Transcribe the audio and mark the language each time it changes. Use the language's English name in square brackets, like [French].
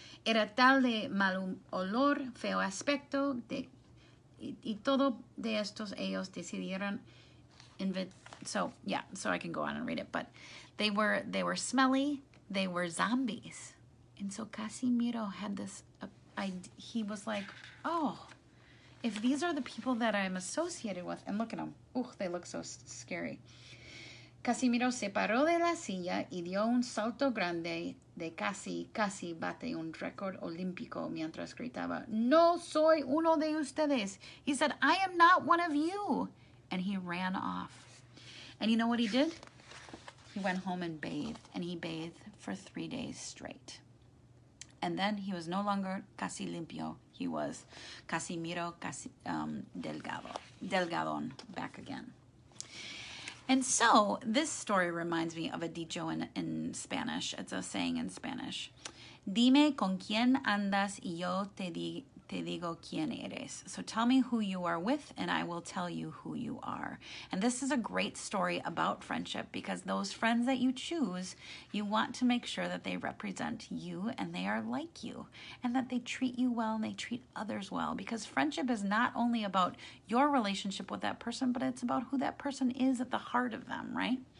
[Spanish] Era tal de mal olor, feo aspecto, y todo de estos ellos decidieron [English] so I can go on and read it, but they were smelly, they were zombies. And so Casimiro had this he was like, oh, if these are the people that I'm associated with, and look at them, ooh, they look so scary. [Spanish] Casimiro se paró de la silla y dio un salto grande de casi, casi bate un récord olímpico mientras gritaba, ¡No soy uno de ustedes! [English] He said, I am not one of you. And he ran off. And you know what he did? He went home and bathed. And he bathed for 3 days straight. And then he was no longer casi limpio. He was Casimiro casi, delgado, delgadón, back again. And so this story reminds me of a dicho in Spanish. It's a saying in Spanish. [Spanish] Dime con quién andas y yo te digo quién eres. [English] So tell me who you are with and I will tell you who you are. And this is a great story about friendship because those friends that you choose, you want to make sure that they represent you and they are like you and that they treat you well and they treat others well because friendship is not only about your relationship with that person, but it's about who that person is at the heart of them, right?